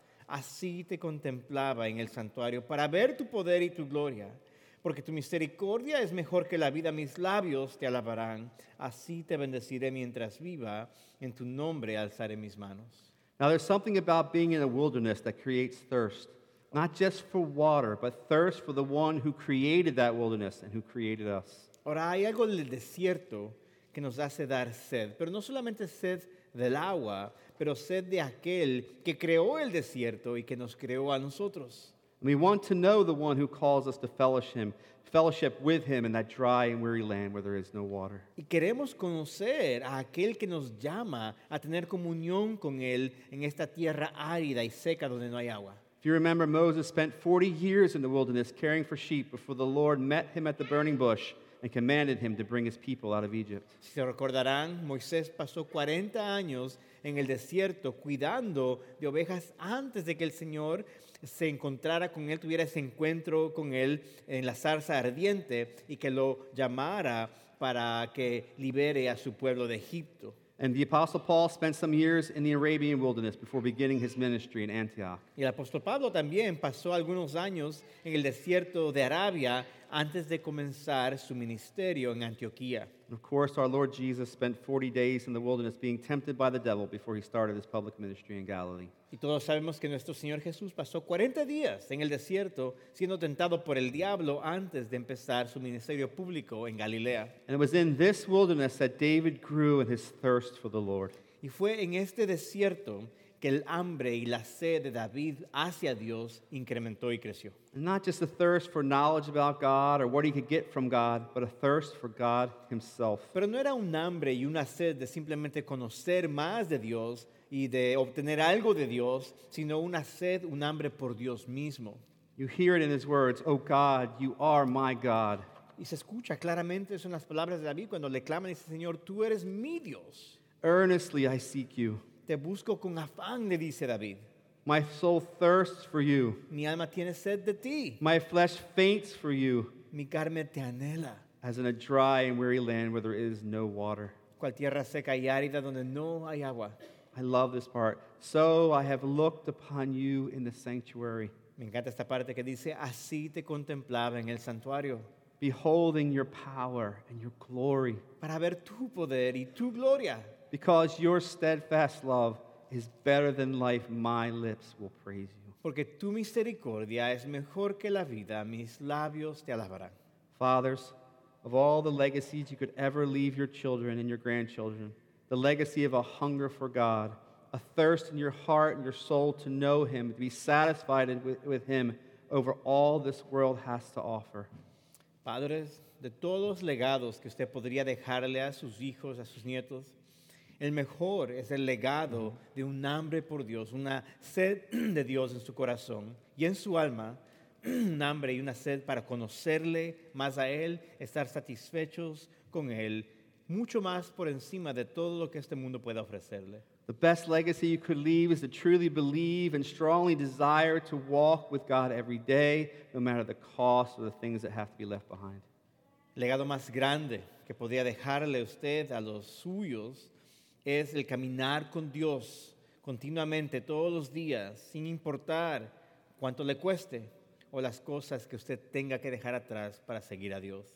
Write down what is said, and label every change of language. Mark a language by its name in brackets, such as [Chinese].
[Spanish] Así te contemplaba en el santuario para ver tu poder y tu gloria. Porque tu misericordia es mejor que la vida, mis labios te alabarán. Así te bendeciré mientras viva, en tu nombre alzaré mis manos. [English] Now there's something about being in a wilderness that creates thirst. Not just for water, but thirst for the one who created that wilderness and who created us. [Spanish] Ahora hay algo en el desierto que nos hace dar sed, pero no solamente sed del agua, pero sed de aquel que creó el desierto y que nos creó a nosotros. [English] We want to know the one who calls us to fellowship with him in that dry and weary land where there is no water. [Spanish] Y queremos conocer a aquel que nos llama a tener comunión con él en esta tierra árida y seca donde no hay agua. [English] If you remember, Moses spent 40 years in the wilderness caring for sheep before the Lord met him at the burning bush and commanded him to bring his people out of Egypt. [Spanish] Si se recordarán, Moisés pasó 40 años en el desierto cuidando de ovejas antes de que el Señor se encontrara con él, tuviera ese encuentro con él en la zarza ardiente y que lo llamara para que libere a su pueblo de Egipto. [English] And the Apostle Paul spent some years in the Arabian wilderness before beginning his ministry in Antioch. [Spanish] Y el apóstol Pablo también pasó algunos años en el desierto de Arabia antes de comenzar su ministerio en Antioquía. [English] And of course, our Lord Jesus spent 40 days in the wilderness being tempted by the devil before he started his public ministry in Galilee. [Spanish] Y todos sabemos que nuestro Señor Jesús pasó 40 días en el desierto siendo tentado por el diablo antes de empezar su ministerio público en Galilea. [English] And it was in this wilderness that David grew in his thirst for the Lord. [Spanish] Y fue en este desierto que el hambre y la sed de David hacia Dios incrementó y creció. [English] Not just a thirst for knowledge about God or what he could get from God, but a thirst for God himself. [Spanish] Pero no era un hambre y una sed de simplemente conocer más de Dios y de obtener algo de Dios, sino una sed, un hambre por Dios mismo. [English] You hear it in his words, "Oh God, you are my God." [Spanish] Y se escucha claramente eso en las palabras de David cuando le clama y dice, "Señor, tú eres mi Dios." [English] Earnestly I seek you. [Spanish] Te busco con afán, le dice David. [English] My soul thirsts for you. [Spanish] Mi alma tiene sed de ti. [English] My flesh faints for you. [Spanish] Mi carne te anhela. [English] As in a dry and weary land where there is no water. [Spanish] Cual tierra seca y árida donde no hay agua. [English] I love this part. So I have looked upon you in the sanctuary. [Spanish] Me encanta esta parte que dice, así te contemplaba en el santuario. [English] Beholding your power and your glory. [Spanish] Para ver tu poder y tu gloria. [English] Because your steadfast love is better than life, my lips will praise you. [Spanish] Porque tu misericordia es mejor que la vida, mis labios te alabarán. [English] Fathers, of all the legacies you could ever leave your children and your grandchildren, the legacy of a hunger for God, a thirst in your heart and your soul to know him, to be satisfied with him over all this world has to offer. [Spanish] Padres, de todos los legados que usted podría dejarle a sus hijos, a sus nietos, el mejor es el legado de un hambre por Dios, una sed de Dios en su corazón y en su alma, un hambre y una sed para conocerle más a Él, estar satisfechos con Él, mucho más por encima de todo lo que este mundo pueda ofrecerle. [English] The best legacy you could leave is to truly believe and strongly desire to walk with God every day, no matter the cost or the things that have to be left behind. [Spanish] El legado más grande que podría dejarle usted a los suyos es el caminar con Dios continuamente, todos los días, sin importar cuánto le cueste o las cosas que usted tenga que dejar atrás para seguir a Dios.